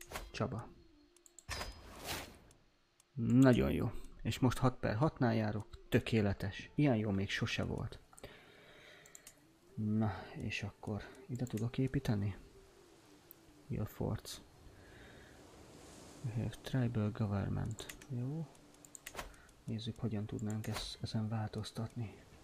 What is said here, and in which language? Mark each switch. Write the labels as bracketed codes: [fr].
[hu] Csaba. Nagyon jó. És most 6 per 6-nál járok. Tökéletes. Ilyen jó még sose volt. Na, és akkor ide tudok építeni? [en] Your forts. We have tribal government. [hu] Jó. Nézzük, hogyan tudnánk ezen változtatni.